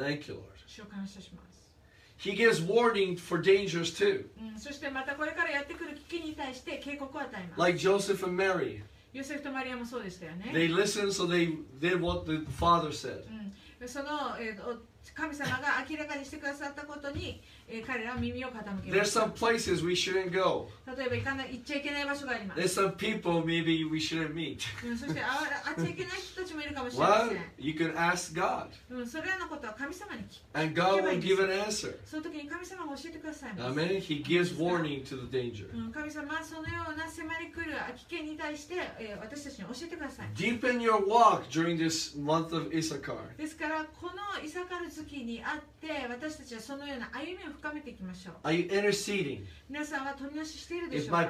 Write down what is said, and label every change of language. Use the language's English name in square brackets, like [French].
[English] Thank you, Lord. [Japanese] 主を感謝します。 [English] He gives warning for dangers too. [Japanese] そしてまたこれからやってくる危機に対して警告を与えます。 [English] Like Joseph and Mary. [Japanese] ヨセフとマリアもそうでしたよね。 [English] They listened, so they did what the father said. [Japanese] その神様が明らかにしてくださったことに彼らは耳を傾けました。 [English] There's some places we shouldn't go. [Japanese] 例えば行っちゃいけない場所があります。 [English] There's some people maybe we shouldn't meet. [Japanese] そして会っちゃいけない人たちもいるかもしれません。 [English] Well, you can ask God. [Japanese] それらのことは神様に聞けばいいです。 [English] And God will give an answer. [Japanese] その時に神様が教えてくださいます。 [English] Amen. He gives warning to the danger. [Japanese] 神様はそのような迫り来る危険に対して私たちに教えてください。 [English] Deepen your walk during this month of Issachar. [Japanese] ですからこのイサカル月にあって私たちはそのような歩みを深めていきましょう。 [English] Are you interceding? [Japanese] 皆さんは取り出ししているでしょうか。